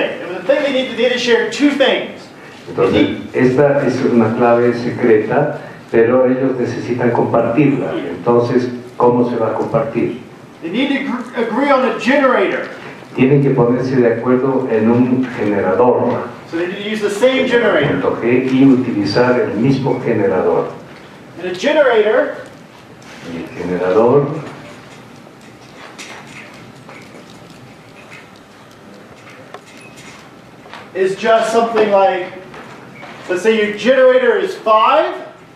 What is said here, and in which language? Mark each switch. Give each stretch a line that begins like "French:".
English: And the thing they need to share two things.
Spanish: Entonces, esta es una clave secreta, pero ellos necesitan compartirla. Entonces, ¿cómo se va a compartir?
English: They need to agree on a generator.
Spanish: Tienen que ponerse de acuerdo en un generador.
English: So they need to use the same generator.
Spanish: Y utilizar el mismo generador.
English: And a generator.
Spanish: Y el generador.
English: Is just something like, let's say your generator is 5.